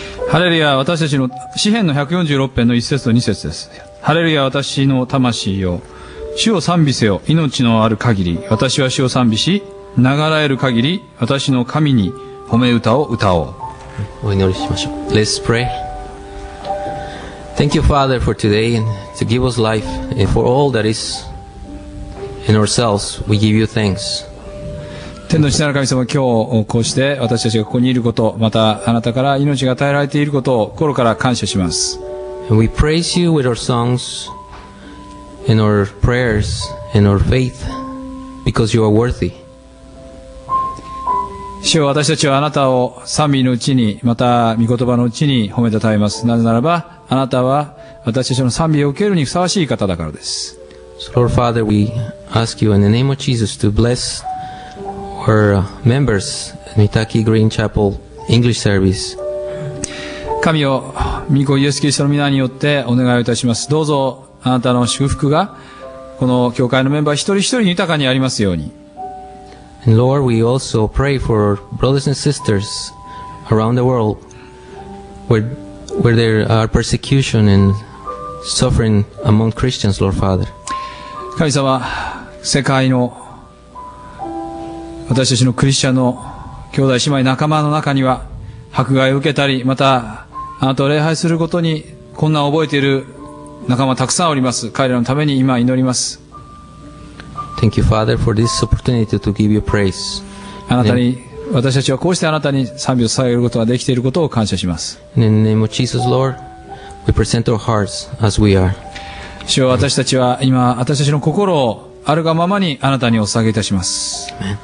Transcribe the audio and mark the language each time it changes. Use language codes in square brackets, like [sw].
[ja] ハレルヤ、私たちの詩篇の146編の1節と2節です。ハレルヤ、私の魂よ。主を賛美せよ。命のある限り、私は主を賛美し、ながらえる限り、私の神に褒め歌を歌おう。お祈りしましょう。 [en] Let's pray. Thank you, Father, for today and to give us life and for all that is in ourselves. We give you thanks. [ja] 天の父なる神様、今日こうして私たちがここにいること、またあなたから命が与えられていることを心から感謝します。 [en] We praise you with our songs, in our prayers, in our faith, because you are worthy. [ja] 主よ、私たちはあなたを賛美のうちに、また御言葉のうちに褒めたたえます。なぜならば、あなたは私たちの賛美を受けるにふさわしい方だからです。 [en] So, Lord Father, we ask you in the name of Jesus to bless Our members, Nitaki Green Chapel English Service. [ja] 神よ、御子イエス・キリストの名によってお願いいたします。どうぞあなたの祝福がこの教会のメンバー一人一人豊かにありますように。 [en] And Lord, we also pray for our brothers and sisters around the world, where there are persecution and suffering among Christians, Lord Father. [ja] 神様、世界の私たちのクリスチャンの兄弟姉妹仲間の中には迫害を受けたり、またあなたを礼拝することに困難を覚えている仲間たくさんおります。彼らのために今祈ります。 [en] Thank you, Father, for this opportunity to give you praise. [ja] あなたに、私たちはこうしてあなたに賛美を捧げることができていることを感謝します。 [en] In the name of Jesus, Lord, we present our hearts as we are. [ja] 主よ、私たちは今私たちの心をあるがままにあなたにお捧げいたします。